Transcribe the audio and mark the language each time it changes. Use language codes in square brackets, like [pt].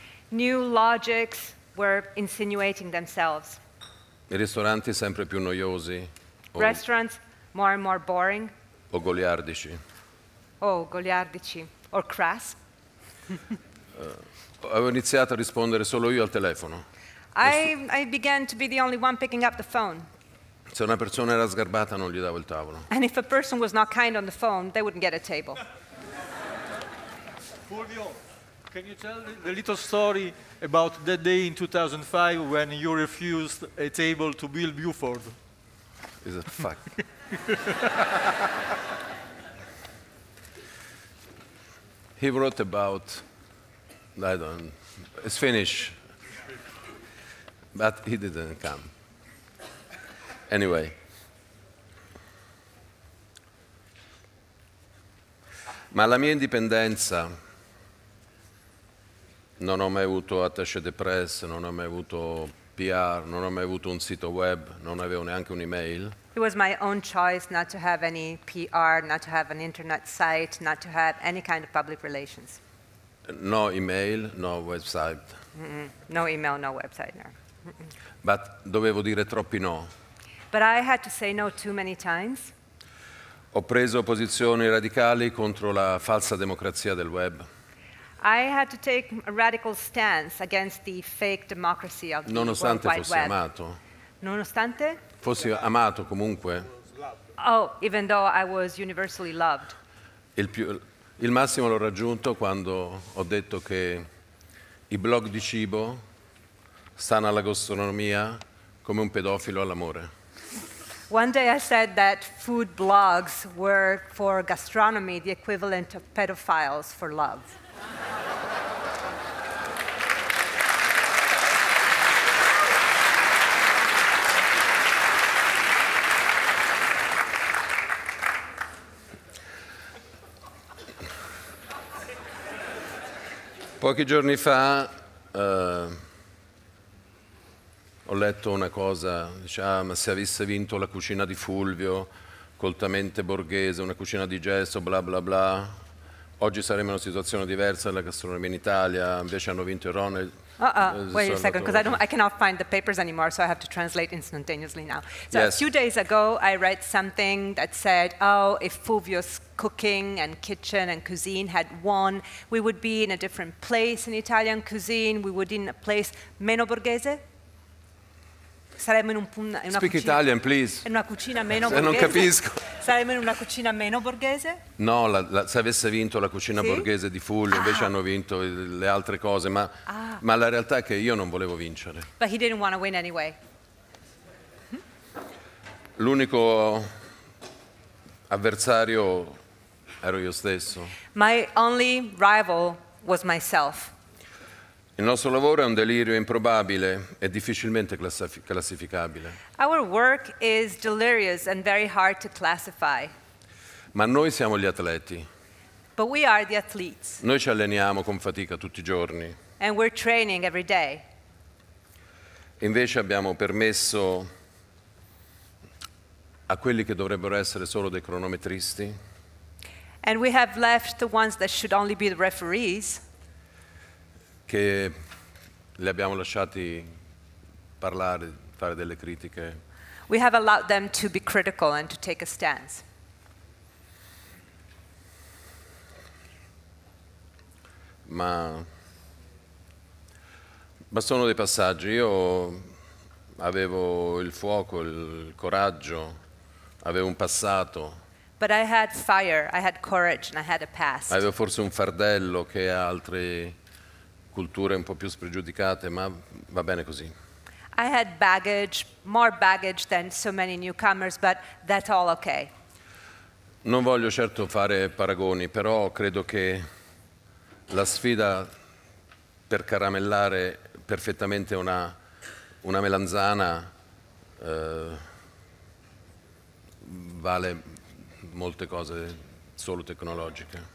[en] New logics were insinuating themselves. [it] I ristoranti sempre più noiosi. [en] Restaurants more and more boring. [it] O goliardici. [en] Oh, [it] goliardici. [en] Or crass. [it] Avevo iniziato a rispondere solo io al telefono. [en] I began to be the only one picking up the phone. [it] Se una persona era sgarbata non gli davo il tavolo. [en] And if a person was not kind on the phone, they wouldn't get a table. Fulvio, can you tell the little story about that day in 2005 when you refused a table to Bill Buford? Is a fuck. He wrote about, I don't, it's Finnish, but he didn't come. [it] Anyway, ma la mia indipendenza, non ho mai avuto attaché de presse, non ho mai avuto PR, non ho mai avuto un sito web, non avevo neanche un'email. [en] It was my own choice not to have any PR, not to have an internet site, not to have any kind of public relations. No email, no website. Mm-mm. No email, no website. No. [it] But dovevo dire troppi no. [en] But I had to say no too many times. [it] Ho preso posizioni radicali contro la falsa democrazia del web. [en] I had to take a radical stance against the fake democracy of the [it] nonostante [en] world wide [it] fossi [en] web. [it] Amato. Nonostante? Fossi amato comunque. [en] Oh, even though I was universally loved. [it] Il massimo l'ho raggiunto quando ho detto che i blog di cibo stanno alla gastronomia come un pedofilo all'amore. [en] One day I said that food blogs were for gastronomy the equivalent of pedophiles for love. [it] Pochi giorni fa ho letto una cosa, diciamo, se avesse vinto la cucina di Fulvio, coltamente borghese, una cucina di gesto, bla bla bla, oggi saremmo in una situazione diversa della gastronomia in Italia, invece hanno vinto il Ronald. [en] Wait a second, because I cannot find the papers anymore, so I have to translate instantaneously now. So yes. A few days ago, I read something that said, oh, if Fulvio's cooking and kitchen and cuisine had won, we would be in a different place in Italian cuisine, we would be in a place [it] meno borghese. Saremmo in una cucina. [en] Speak Italian, please. [it] In una cucina meno borghese. Non capisco. Saremmo in una cucina meno borghese? No, se avesse vinto la cucina sì? borghese di Fulvio, invece hanno vinto le altre cose, ma la realtà è che io non volevo vincere. [en] But he didn't want to win anyway. [it] L'unico avversario ero io stesso. [en] My only rival was myself. [it] Il nostro lavoro è un delirio improbabile e difficilmente classificabile. [en] Our work is delirious and very hard to classify. [it] Ma noi siamo gli atleti. [en] But we are the athletes. [it] Noi ci alleniamo con fatica tutti i giorni. [en] And we're training every day. [it] Invece abbiamo permesso a quelli che dovrebbero essere solo dei cronometristi. [en] And we have left the ones that should only be the referees. [it] Che li abbiamo lasciati parlare, fare delle critiche. [en] We have allowed them to be critical and to take a stance. [it] ma sono dei passaggi. Io avevo il fuoco, il coraggio, avevo un passato. [en] But I had fire, I had courage, and I had a past. [it] Avevo forse un fardello che altre culture un po' più spregiudicate, ma va bene così. [en] I had baggage, more baggage than so many newcomers, but that's all okay. [it] Non voglio certo fare paragoni, però credo che la sfida per caramellare perfettamente una melanzana vale molte cose solo tecnologiche.